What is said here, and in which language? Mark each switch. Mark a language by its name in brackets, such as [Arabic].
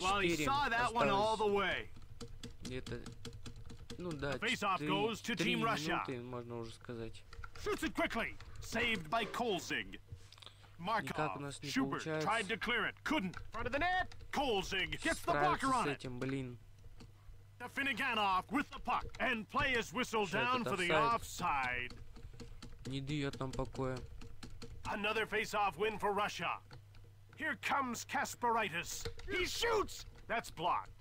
[English] Well, he saw that one all the way. [Russian] Где-то, ну да, три минуты, можно уже сказать. [English] Shoots it quickly. Saved by Kolzig. [Russian] Никак у нас не получается. [English] Tried to clear it. Couldn't. Front of the net. Kolzig gets the blocker on it. The Finneganoff with the puck. And play is whistled down for the offside. [Russian] Не дает нам покоя. [English] Another face-off win for Russia. Here comes Kasparaitis. He shoots. That's blocked.